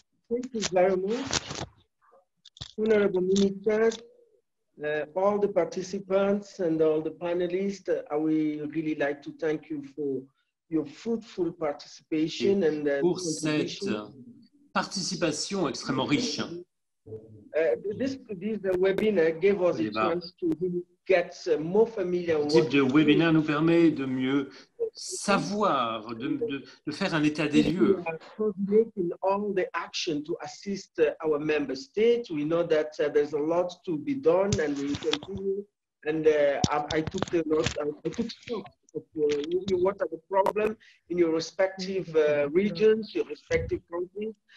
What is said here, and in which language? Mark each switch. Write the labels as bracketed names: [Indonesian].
[English] Thank you very much, Honorable Minister, all the participants and all the panelists. I would really like to thank you for your fruitful participation and [French] pour cette participation extrêmement riche. [English] This webinar gave us a chance to get more familiar. [French] Ce type de webinaire nous permet de mieux savoir, de faire un état des lieux. [English] We are coordinating all the action to assist our member states. We know that there's a lot to be done, and we continue. And I took stock. What are the problems in your respective regions, your respective countries?